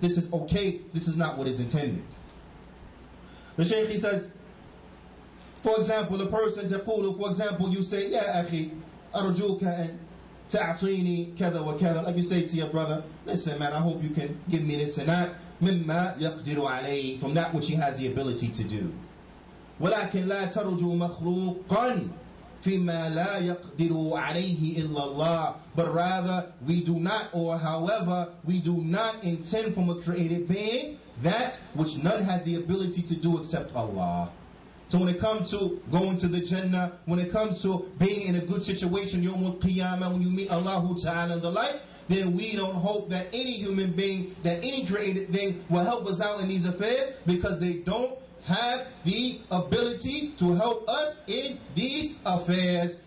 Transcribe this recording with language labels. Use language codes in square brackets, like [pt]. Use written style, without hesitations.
[en] This is okay. This is not what is intended. The Shaykh, he says, for example, the person, تقول, for example, you say, [ar] يا أخي, أرجوك أن تعطيني كذا وكذا. [en] Like you say to your brother, listen man, I hope you can give me this and that. [ar] مما يقدر عليه, [en] from that which he has the ability to do. [ar] ولكن لا ترجو مخلوقا فيما لا يقدر عليه إلا الله. [en] But rather, we do not, or however, we do not intend from a created being that which none has the ability to do except Allah. So when it comes to going to the Jannah, when it comes to being in a good situation, يوم القيامة, when you meet Allah Ta'ala and the like, then we don't hope that any human being, that any created thing will help us out in these affairs, because they don't have the ability to help us in these affairs.